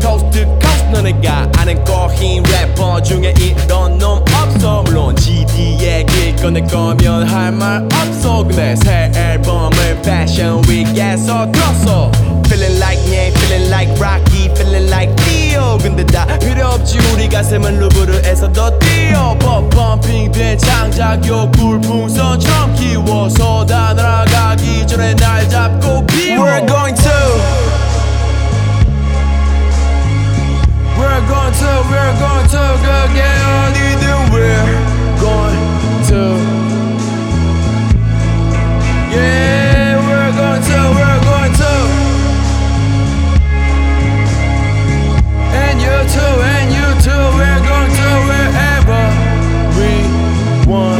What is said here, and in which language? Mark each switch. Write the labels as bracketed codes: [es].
[en] Coast to coast, [ko] 너네가 아는 거힌 래퍼 중에 이런 놈 없어. 물론 GD에게 꺼낼 거면 할 말 없어. 근데 새 앨범을 Fashion Week에서 들었어. [en] Feeling like me, feeling like Rocky, feeling like me. [ko] 근데 다 필요 없지 우리 가슴은 루브르에서 더 뛰어. 펌핑 된 창작욕 불풍선처럼 키워서 다 날아가기 전에 날 잡고 비워. [en] We're going to We're going to We're going to [ko] 그게 어디든 [en] We're going to Yeah We're going to We're going to And you too, we're going to wherever we want.